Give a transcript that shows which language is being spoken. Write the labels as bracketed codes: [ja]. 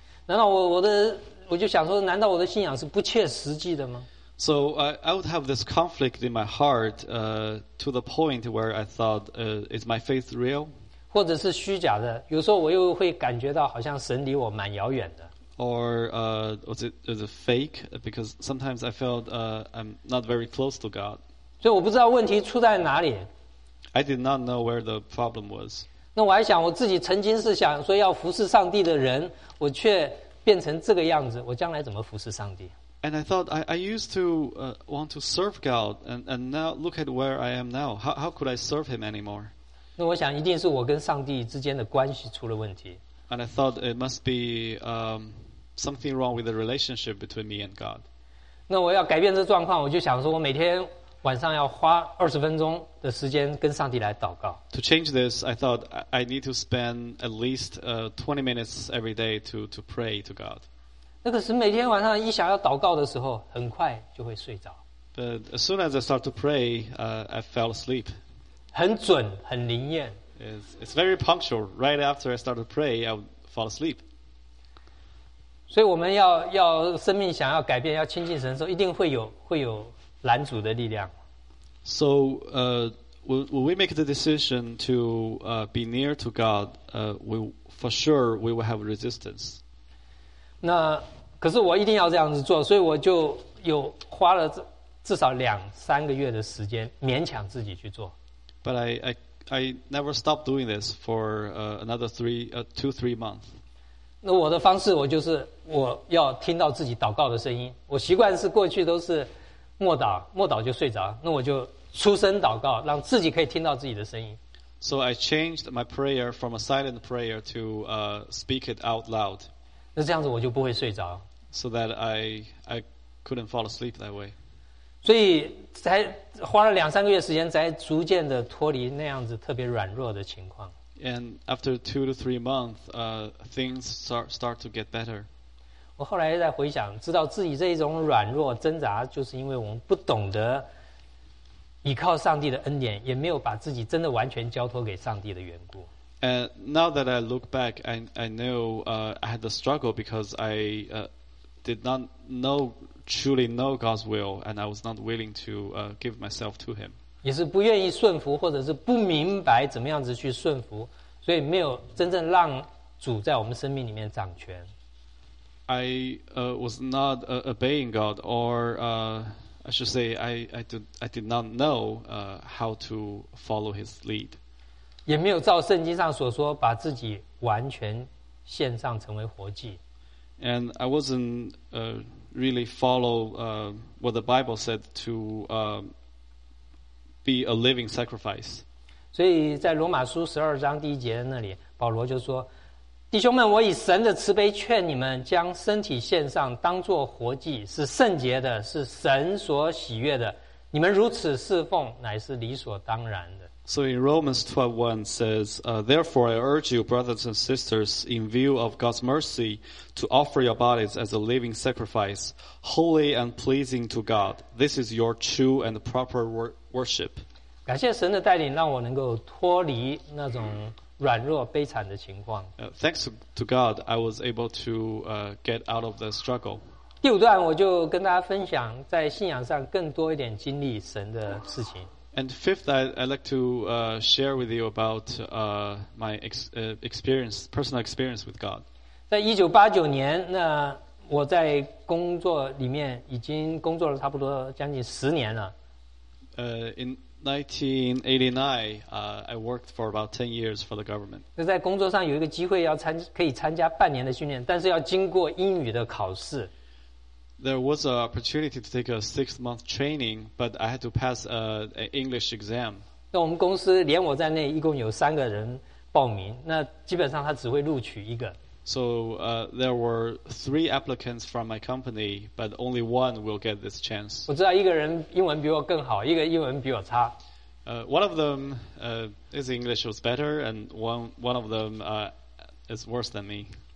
[zh] 难道我就想说，难道我的信仰是不切实际的吗 [en] ？So I would have this conflict in my heart, to the point where I thought, is my faith real? [zh] 或者是虚假的？有时候我又会感觉到好像神离我蛮遥远的。 [en] Or was it fake? Because sometimes I felt I'm not very close to God. [zh] 所以我不知道问题出在哪里。 [en] I did not know where the problem was. [zh] 那我还想我自己曾经是想说要服侍上帝的人，我却变成这个样子，我将来怎么服侍上帝 [en] ？And I thought I used to want to serve God, and now look at where I am now. How could I serve Him anymore? [zh] 那我想一定是我跟上帝之间的关系出了问题。 [en] And I thought it must be something wrong with the relationship between me and God. [zh] 那我要改变这状况，我就想说我每天晚上要花二十分钟的时间跟上帝来祷告。 [en] To change this, I thought I need to spend at least 20 minutes every day to pray to God. [zh] 那可是每天晚上一想要祷告的时候，很快就会睡着。 [en] But as soon as I start to pray, I fell asleep. [zh] 很准，很灵验。 [en] It's very punctual. Right after I start to pray, I would fall asleep. [zh] 所以我们要生命想要改变，要亲近神的时候，一定会有。拦阻的力量。 [en] So, when we make the decision to be near to God, we for sure we will have resistance. [zh] 那可是我一定要这样子做，所以我就有花了至少两三个月的时间勉强自己去做。 [en] But I never stopped doing this for another two three months. [zh] 那我的方式，我就是我要听到自己祷告的声音。我习惯是过去都是。默祷就睡着，那我就出声祷告，让自己可以听到自己的声音。 [en] So I changed my prayer from a silent prayer to speak it out loud. [zh] 那这样子我就不会睡着。 [en] So that I couldn't fall asleep that way. [zh] 所以才花了两三个月时间，才逐渐的脱离那样子特别软弱的情况。 [en] And after 2 to 3 months, things start to get better. [zh] 我后来在回想，知道自己这一种软弱挣扎，就是因为我们不懂得依靠上帝的恩典，也没有把自己真的完全交托给上帝的缘故。 [en] And now that I look back, I know I had the struggle because I did not know truly know God's will, and I was not willing to give myself to Him. [zh] 也是不愿意顺服，或者是不明白怎么样子去顺服，所以没有真正让主在我们生命里面掌权。 [en] I was not obeying God, or I should say, I did not know how to follow His lead. [zh] 也没有照圣经上所说，把自己完全献上成为活祭。 [en] And I wasn't really follow what the Bible said to be a living sacrifice. [zh] 所以在罗马书十二章第一节那里，保罗就说。弟兄们，我以神的慈悲劝你们，将身体献上，当作活祭，是圣洁的，是神所喜悦的。你们如此侍奉，乃是理所当然的。 [en] So in Romans 12:1 says, "Therefore I urge you, brothers and sisters, in view of God's mercy, to offer your bodies as a living sacrifice, holy and pleasing to God. This is your true and proper worship." [zh] 感谢神的带领，让我能够脱离那种。软弱悲惨的情况。 [en] Thanks to God, I was able to get out of the struggle. [zh] 第五段我就跟大家分享在信仰上更多一点经历神的事情。 [en] And fifth, I'd like to share with you about my personal experience with God. [zh] 在1989年，那我在工作里面已经工作了差不多将近十年了。 [en] In 1989, I worked for about 10 years for the government. [zh] 那在工作上有一个机会要参可以参加半年的训练，但是要经过英语的考试。 [en] There was an opportunity to take a 6-month training, but I had to pass an English exam. [zh] 那我们公司连我在内一共有三个人报名，那基本上他只会录取一个。 [en] So there were 3 applicants from my company, but only one will get this chance. [zh] 我知道一个人英文比我更好，一个英文比我差。 [en] One of them his English was better, and one of them is worse than me.